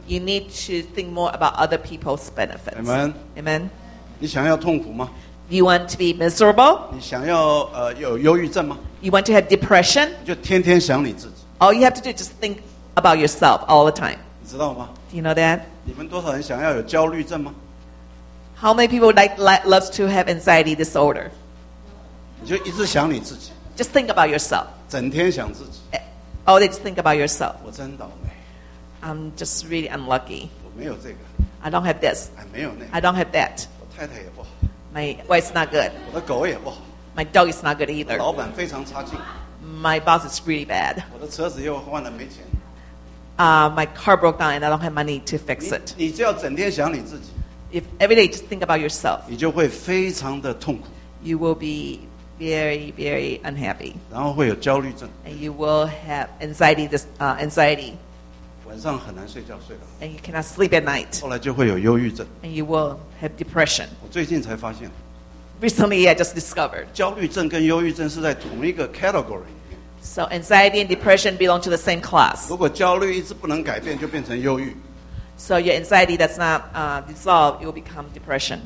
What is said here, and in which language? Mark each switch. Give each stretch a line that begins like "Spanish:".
English: You need to think more about other people's benefits. Amen. Amen.
Chinese: 你想要痛苦吗？
English: You want to be miserable?
Chinese: 你想要有忧郁症吗？
English: You want to have depression?
Chinese: 就天天想你自己。
English: All you have to do is just think about yourself all the time.
Chinese: 你知道吗？
English: Do you know that?
Chinese: 你们多少人想要有焦虑症吗？
English: How many people loves to have anxiety disorder?
Chinese: 你就一直想你自己。
English: Just think about yourself.
Chinese: 整天想自己。
English: All day just think about yourself.
Chinese: 我真倒霉。
English: I'm just really unlucky.
Chinese: 我没有这个。
English: I don't have this.
Chinese: 哎，没有那个。
English: I don't have that.
Chinese: 我太太也不好。
English: My wife's not good.
Chinese: 我的狗也不好。
English: My dog is not good either.
Chinese: 老板非常差劲。
English: My boss is really bad.
Chinese: 我的车子又换了，没钱。
English: My car broke down and I don't have money to fix it.
Chinese: 你就要整天想你自己。
English: If every day just think about yourself,
Chinese: 你就会非常的痛苦。
English: You will be very, very unhappy.
Chinese: 然后会有焦虑症。
English: And you will have anxiety. Anxiety.
Chinese: 晚上很难睡觉，睡了。
English: And you cannot sleep at night.
Chinese: 后来就会有忧郁症。
English: And you will have depression.
Chinese: 我最近才发现。
English: Recently, I just discovered.
Chinese: 焦虑症跟忧郁症是在同一个 category.
English: So anxiety and depression belong to the same class.
Chinese: 如果焦虑一直不能改变，就变成忧郁。
English: So your anxiety does not dissolve, it will become depression.